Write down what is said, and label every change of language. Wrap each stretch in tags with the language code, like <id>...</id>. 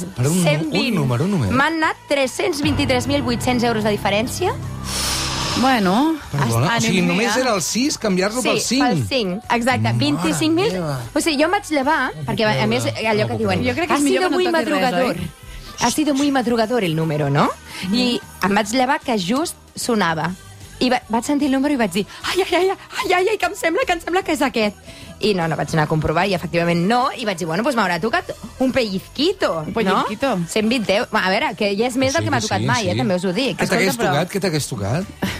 <ca>Però un número. M'han anat 323.800 euros de diferència. Bueno, o sigui, només era el 6, canviar-lo pel 5. Sí, pel 5, exacte, 25.000. O sigui, jo em vaig llevar, perquè a més, allò que diuen, jo crec que és millor que no toqui res, madrugador.</ca> <es>Ha sido muy madrugador el número, no?</es> <ca>I em vaig llevar que just sonava. I vaig sentir el número i vaig dir, ai, que em sembla que és aquest. I no vaig anar a comprovar, i efectivament no. I vaig dir, bueno, doncs m'haurà tocat un pellizquito. Un pellizquito. 120 euros. A veure, que ja és més del que m'ha tocat mai, també us ho dic. Què t'hagués tocat? Què t'hagués tocat?</ca>